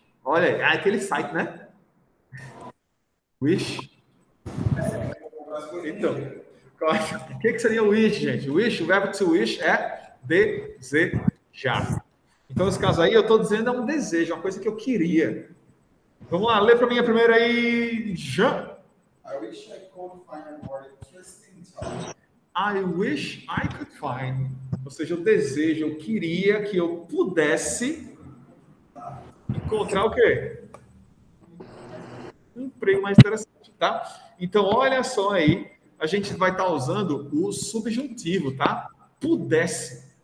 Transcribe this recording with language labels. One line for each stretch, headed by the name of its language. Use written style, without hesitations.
Portuguese: Olha aí, é aquele site, né? Wish. Então, o que seria wish, gente? Wish, o verbo to wish é desejar. Então, nesse caso aí, eu estou dizendo é um desejo, uma coisa que eu queria. Vamos lá, lê para mim a primeira aí, Jean.
English: I wish I could find a more interesting topic. I wish I could find.
Portuguese: Ou seja, eu desejo, eu queria que eu pudesse encontrar o quê? Um emprego mais interessante, tá? Então, olha só aí, a gente vai estar usando o subjuntivo, tá? Pudesse.